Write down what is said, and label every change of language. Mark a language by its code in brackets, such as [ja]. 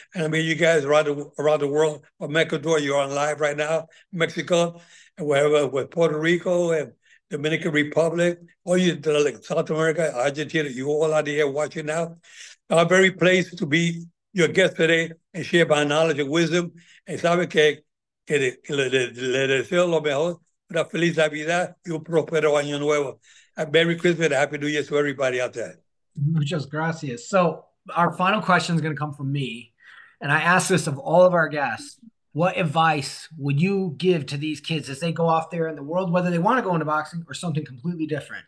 [en] And I mean, you guys around the world, from Ecuador, you're on live right now, Mexico, and wherever, with Puerto Rico and Dominican Republic, all you, like South America, Argentina, you all out here watching now. I'm very pleased to be your guest today and share my knowledge and wisdom. [es] And sabe que le deseo lo mejor, una feliz Navidad y un próspero año nuevo. [en] Merry Christmas and Happy New Year to everybody out there. [es] Muchas gracias. [en] So our final question is going to come from me. And I ask this of all of our guests. What advice would you give to these kids as they go off there in the world, whether they want to go into boxing or something completely different?